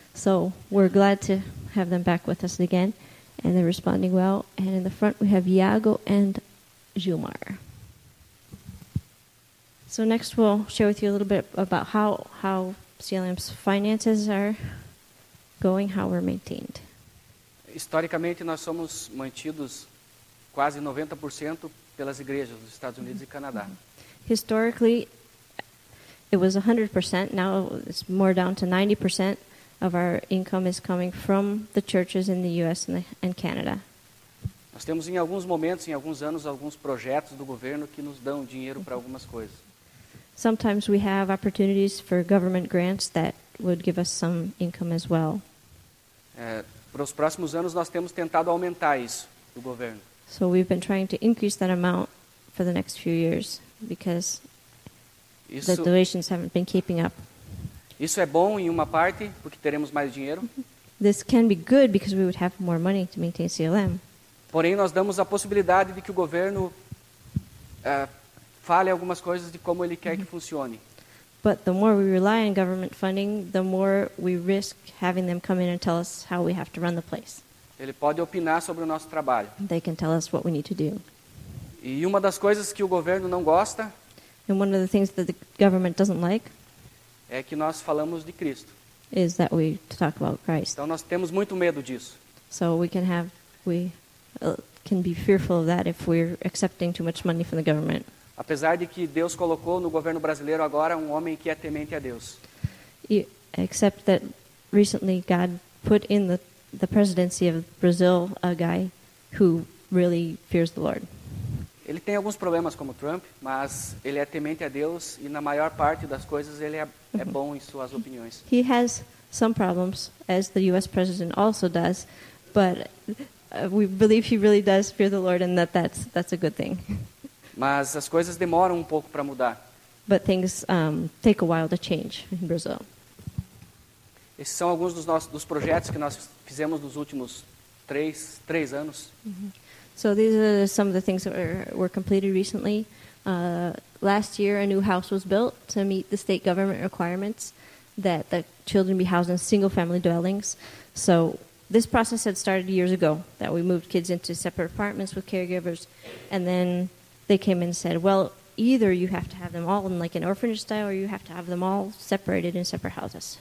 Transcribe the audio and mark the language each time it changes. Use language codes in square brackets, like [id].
[en] So we're glad to have them back with us again, and they're responding well. And in the front, we have Iago and Gilmar. So next, we'll share with you a little bit about how CLM's finances are going, how we're maintained. [pt] Historicamente, nós somos mantidos quase 90% pelas igrejas dos Estados Unidos e Canadá. [en] Historically, it was 100%. Now it's more down to 90% of our income is coming from the churches in the U.S. and Canada. [pt] Nós temos em alguns momentos, em alguns anos, alguns projetos do governo que nos dão dinheiro para algumas coisas. [en] Sometimes we have opportunities for government grants that would give us some income as well. [pt] Para os próximos anos, nós temos tentado aumentar isso do governo. [en] So we've been trying to increase that amount for the next few years because the donations haven't been keeping up. [pt] Isso é bom em uma parte, porque teremos mais dinheiro. [en] This can be good because we would have more money to maintain CLM. [pt] Porém, nós damos a possibilidade de que o governo fale algumas coisas de como ele quer que funcione. [en] But the more we rely on government funding, the more we risk having them come in and tell us how we have to run the place. [pt] Ele pode opinar sobre o nosso trabalho. [en] They can tell us what we need to do. [pt] E uma das coisas que o governo não gosta, [en] and one of the things that the government doesn't like, [pt] é que nós falamos de Cristo. [en] Is that we talk about Christ. [pt] Então nós temos muito medo disso. [en] So we can be fearful of that if we're accepting too much money from the government. [pt] Apesar de que Deus colocou no governo brasileiro agora um homem que é temente a Deus. [en] Except that recently God put in the presidency of Brazil a guy who really fears the Lord. [pt] Ele tem alguns problemas como Trump, mas ele é temente a Deus e na maior parte das coisas ele é bom em suas opiniões. [en] He has some problems, as the U.S. president also does, but we believe he really does fear the Lord and that's a good thing. [pt] Mas as coisas demoram um pouco para mudar. [en] But things take a while to change in Brazil. [pt] Esses são alguns dos projetos que nós fizemos nos últimos três anos. [en] So these are some of the things that were completed recently. Last year, a new house was built to meet the state government requirements that the children be housed in single-family dwellings. So this process had started years ago, that we moved kids into separate apartments with caregivers, and then they came and said, well, either you have to have them all in like an orphanage style, or you have to have them all separated in separate houses.